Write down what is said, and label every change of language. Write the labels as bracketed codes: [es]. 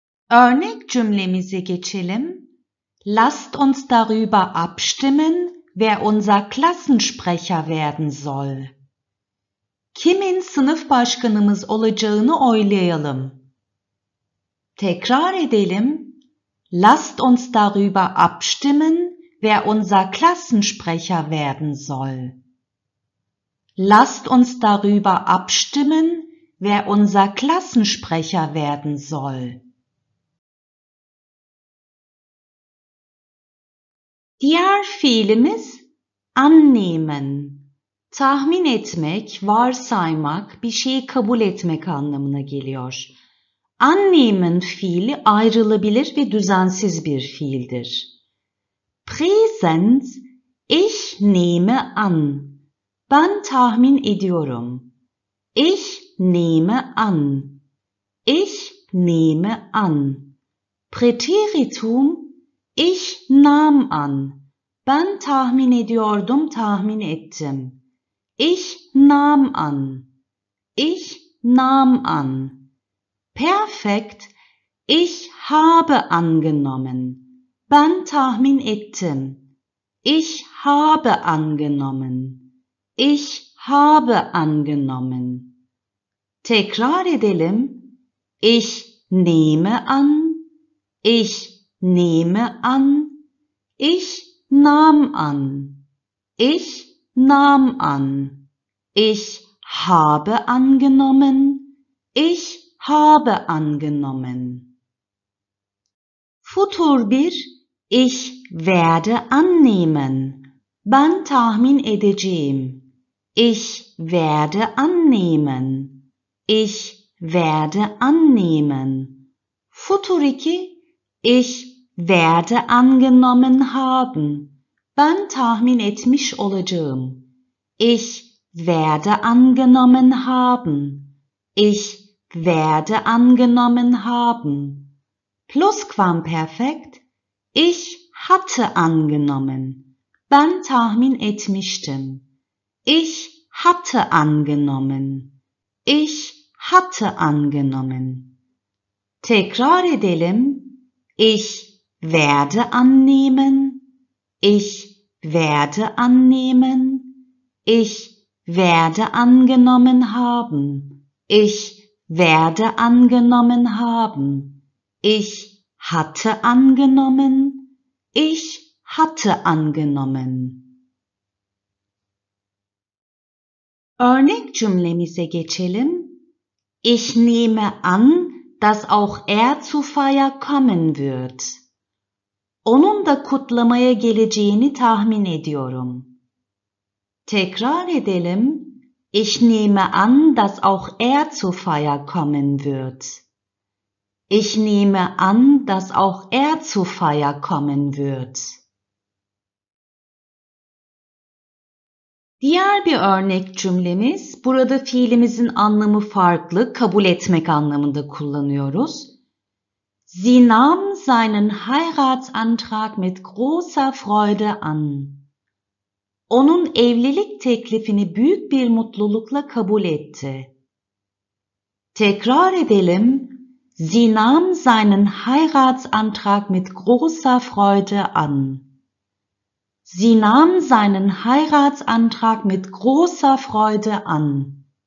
[tr] Örnek cümlemize geçelim. [de] Lasst uns darüber abstimmen, wer unser Klassensprecher werden soll. [tr] Kimin sınıf başkanımız olacağını oylayalım. Tekrar edelim. [de] Lasst uns darüber abstimmen, wer unser Klassensprecher werden soll. Lasst uns darüber abstimmen, wer unser Klassensprecher werden soll. [tr] Diğer fiilimiz annehmen. Tahmin etmek, varsaymak, bir şeyi kabul etmek anlamına geliyor. Annehmen fiili ayrılabilir ve düzensiz bir fiildir. [de] Präsens, ich nehme an. [tr] Ben tahmin ediyorum. [de] Ich nehme an. Ich nehme an. Präteritum, ich nahm an. [tr] Ben tahmin ediyordum, tahmin ettim. [de] Ich nahm an. Ich nahm an. Perfekt, ich habe angenommen. [tr] Ben tahmin ettim. [de] Ich habe angenommen. Ich habe angenommen. [tr] Tekrar edelim. [de] Ich nehme an. Ich nehme an. Ich nahm an. Ich nahm an. Ich habe angenommen. Ich habe angenommen. Futur bir. Ich werde annehmen. [tr] Ben tahmin edeceğim. [de] Ich werde annehmen. Ich werde annehmen. Futur 2. Ich werde angenommen haben. [tr] Ben tahmin etmiş olacağım. [de] Ich werde angenommen haben. Ich werde angenommen haben. Plusquamperfekt. Ich hatte angenommen. [tr] Ben tahmin etmiştim. [de] Ich hatte angenommen. Ich hatte angenommen. [tr] Tekrar edelim. [de] Ich werde annehmen. Ich werde annehmen. Ich werde angenommen haben. Ich werde angenommen haben. Ich hatte angenommen. Ich hatte angenommen. [tr] Örnek cümlemize geçelim. [de] Ich nehme an, dass auch zu Feier kommen wird. [tr] Onun da kutlamaya geleceğini tahmin ediyorum. Tekrar edelim. [de] Ich nehme an, dass auch zu Feier kommen wird. Ich nehme an, dass auch zu Feier kommen wird. [tr] Diğer bir örnek cümlemiz, burada fiilimizin anlamı farklı, kabul etmek anlamında kullanıyoruz. [de] Sie nahm seinen Heiratsantrag mit großer Freude an. [tr] Onun evlilik teklifini büyük bir mutlulukla kabul etti. Tekrar edelim. [de] Sie nahm seinen Heiratsantrag mit großer Freude an. Sie nahm seinen Heiratsantrag mit großer Freude an.